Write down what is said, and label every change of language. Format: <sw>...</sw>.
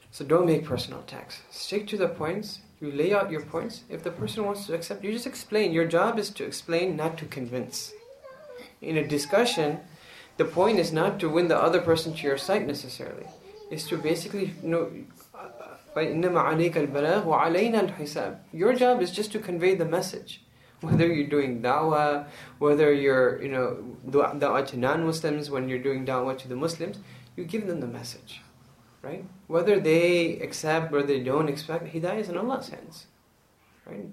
<en>So don't make personal attacks. Stick to the points. You lay out your points. If the person wants to accept, you just explain. Your job is to explain, not to convince. In a discussion, the point is not to win the other person to your side necessarily. It's to basically,</en> <ar>فَإِنَّمَا عَلَيْكَ الْبَلَاغُ وَعَلَيْنَا الْحِسَابُ.</ar> <en>Your job is just to convey the message. Whether you're doing da'wah, whether you're, da'wah to non-Muslims, when you're doing da'wah to the Muslims, you give them the message. Right? Whether they accept or they don't accept, hidayah is in Allah's hands. Right?</en>